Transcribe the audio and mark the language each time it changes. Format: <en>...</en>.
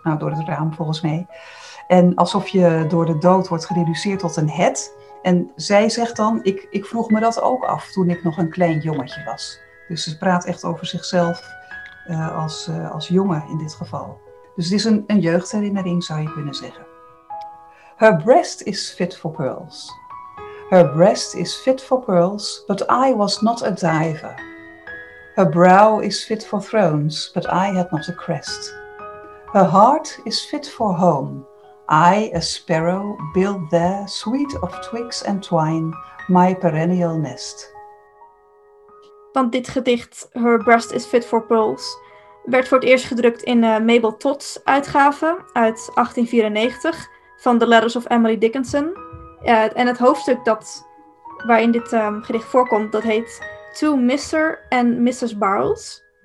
<nl>Nou, door het raam volgens mij. En alsof je door de dood wordt gereduceerd tot een het. En zij zegt dan, ik vroeg me dat ook af toen ik nog een klein jongetje was. Dus ze praat echt over zichzelf als jongen in dit geval. Dus het is een jeugdherinnering, zou je kunnen zeggen.</nl> <en>Her breast is fit for pearls. Her breast is fit for pearls, but I was not a diver. Her brow is fit for thrones, but I had not a crest. Her heart is fit for home. I, a sparrow, build there, sweet of twigs and twine, my perennial nest.</en> <nl>Want dit gedicht,</nl> <en>Her breast is fit for pearls,</en> <nl>werd voor het eerst gedrukt in Mabel Todd's uitgave uit 1894 van The Letters of Emily Dickinson. En het hoofdstuk dat waarin dit gedicht voorkomt, dat heet To Mr. and Mrs. Barrels.</nl>